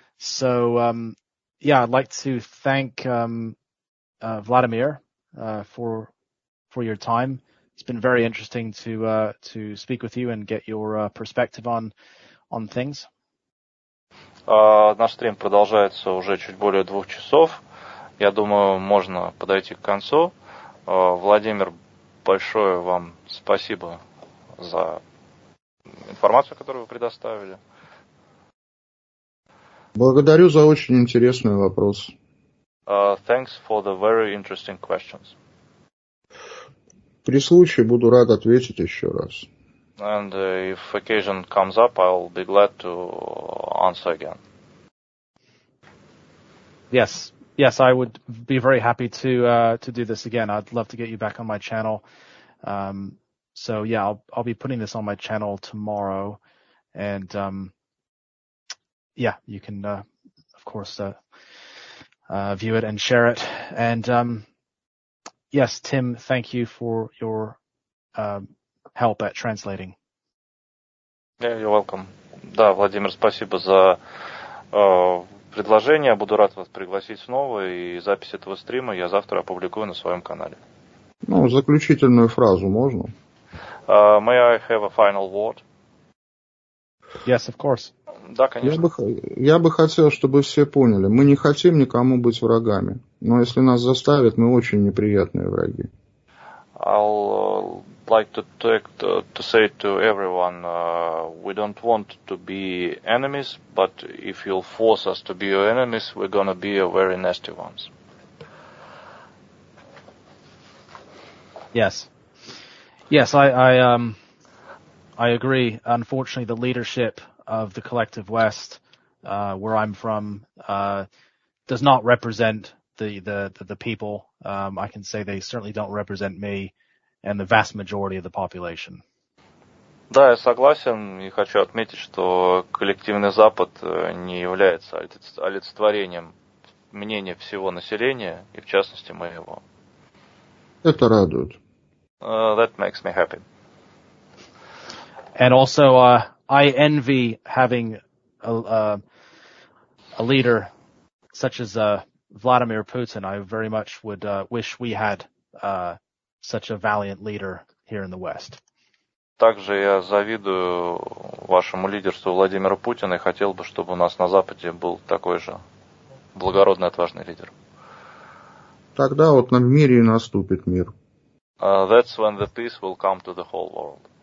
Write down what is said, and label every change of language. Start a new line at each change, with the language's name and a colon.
English: So I'd like to thank Vladimir for your time. It's been very interesting to speak with you and get your perspective on things.
Russian: Наш стрим продолжается уже чуть более 2 часов. Я думаю, можно подойти к концу. Владимир, большое вам спасибо за информацию, которую вы предоставили. Благодарю за очень интересный вопрос.
English: Thanks for the very interesting questions.
Russian: При случае буду рад ответить еще раз.
English: And if occasion comes up, I'll be glad to answer again. Yes. Yes, I would be very happy to do this again. I'd love to get you back on my channel. I'll be putting this on my channel tomorrow, and you can view it and share it. And Tim, thank you for your help at translating. Yeah, you're welcome.
Russian: Да, Владимир, спасибо за предложение. Буду рад вас пригласить снова, и запись этого стрима я завтра опубликую на своем канале. Ну, заключительную фразу можно?
English: May I have a final word? Yes, of course.
Russian: Да, конечно. Я бы хотел, чтобы все поняли, мы не хотим никому быть врагами, но если нас заставят, мы очень неприятные враги.
English: I'll like to say to everyone, we don't want to be enemies, but if you'll force us to be your enemies, we're gonna be a very nasty ones. Yes. Yes, I agree. Unfortunately, the leadership of the collective West, where I'm from, does not represent the people. I can say they certainly don't represent me and the vast majority of the population.
Russian: Да, я согласен, и хочу отметить, что коллективный Запад не является олицетворением мнения всего населения, и в частности моего. Это радует.
English: That makes me happy. And also, I envy having a leader such as Vladimir Putin. I very much would wish we had such a valiant leader here in the West.
Russian: Также я завидую вашему лидерству Владимиру Путину и хотел бы, чтобы у нас на Западе был такой же благородный, отважный лидер. Тогда вот на мире и наступит мир.
English: That's when the peace will come to the whole world.